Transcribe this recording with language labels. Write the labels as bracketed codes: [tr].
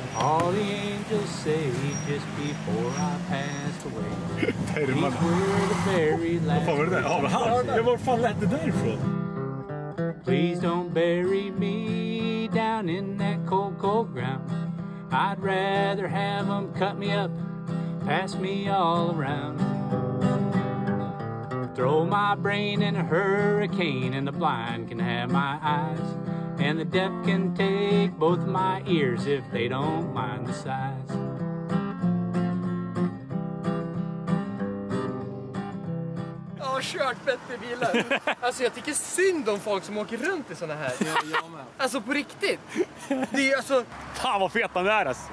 [en] All the angels say just before I passed away. [sv] Pärmarna. Vad fan var det där? Ja, men var fan lät det därifrån? [en] Please don't bury me down in that cold, cold ground. I'd rather have them cut me up, pass me all around. Throw my brain in a hurricane and the blind can have my eyes. And the deaf can take both my ears if they don't mind the size. [sv] Jag har kört bättre bilar. Alltså jag tycker synd om folk som åker runt i såna här. Ja, jag med. Alltså på riktigt. Det är alltså... Fan vad fet man är alltså.